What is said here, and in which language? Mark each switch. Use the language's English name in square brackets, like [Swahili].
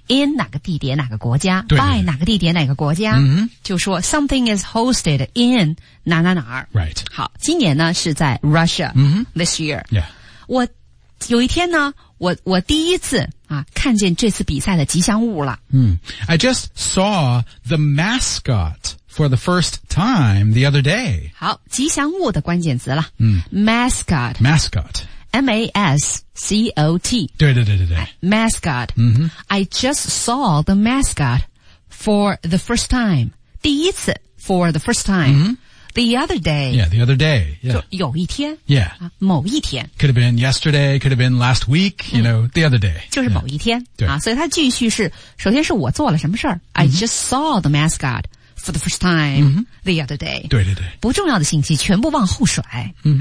[Chinese] In 哪个地点哪个国家对对对 By 哪个地点哪个国家、 mm-hmm. 就说 [English] something is hosted in [Chinese] 哪哪哪 [English] Right. [Chinese] 好今年呢是在 Russia、 mm-hmm. [English] this year. Yeah. [Chinese] 我有一天呢我第一次啊看见这次比赛的吉祥物了。嗯、mm. [English] ,I just saw the mascot for the first time the other day. [Chinese] 好吉祥物的关键词了。嗯、mm. [English] ,mascot. Mascot. M-A-S-C-O-T. [Chinese] 对对对对对。 Mascot. 嗯、mm-hmm. [English] ,I just saw the mascot for the first time. [Chinese] 第一次 [English] for the first time.、 Mm-hmm. The other day. Yeah, the other day. [Chinese] Yeah. 有一天. [English] Yeah. [Chinese] 某一天. [English] Could have been yesterday, could have been last week, you know, the other day. [Chinese] 就是某一天. [English] Yeah. [Chinese] 所以它继续是, 首先是我做了什么事儿? [English] I just saw the mascot for the first time the other day. [Chinese] 对对对. 不重要的信息全部往后甩.